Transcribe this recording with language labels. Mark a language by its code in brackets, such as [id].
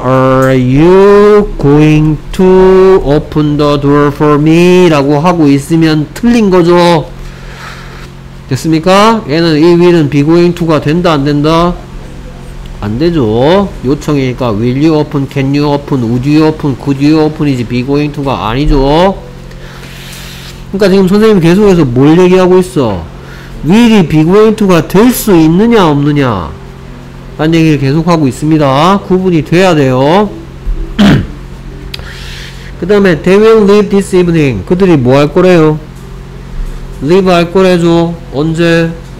[en] are you going to open the door for me? [ko] 라고 하고 있으면 틀린 거죠. 됐습니까? 얘는 이 will은 be going to가 된다 안 된다? 안 되죠. 요청이니까 [en] will you open, can you open, would you open, could you open이지 be going to가 아니죠. [ko] 그러니까 지금 선생님이 계속해서 뭘 얘기하고 있어? will이 be going to가 될 수 있느냐 없느냐 라는 얘기를 계속하고 있습니다. 구분이 돼야 돼요. 그 다음에 [en] they will leave this evening. [ko] 그들이 뭐 할 거래요? leave 할 거래죠. 언제?